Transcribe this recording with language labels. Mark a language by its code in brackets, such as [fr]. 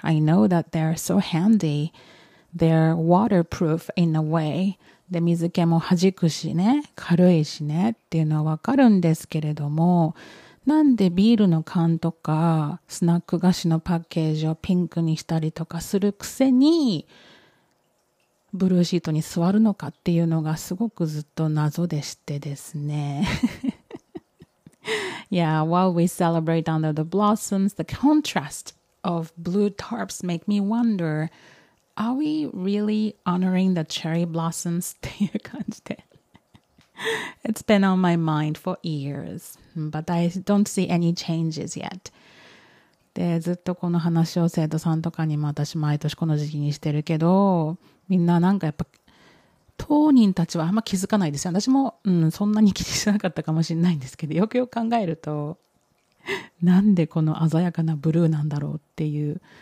[en] I know that they're so handy. They're waterproof in a way. [ja] で、水気も弾くしね、軽いしねっていうのはわかるんですけれども、なんでビールの缶とかスナック菓子のパッケージをピンクにしたりとかするくせに、ブルーシートに座るのかっていうのがすごくずっと謎でしてですね。 [en] Yeah, while we celebrate under the blossoms, the contrast of blue tarps make me wonder, are we really honoring the cherry blossoms? [ja] っていう感じで。 [en] It's been on my mind for years, but I don't see any changes yet. [ja] で、ずっとこの話を生徒さんとかにも私毎年この時期にしてるけど、みんななんかやっぱ当人たちはあんま気づかないですよ。私も、そんなに気にしなかったかもしれないんですけど、よくよく考えるとなんでこの鮮やかなブルーなんだろうっていう、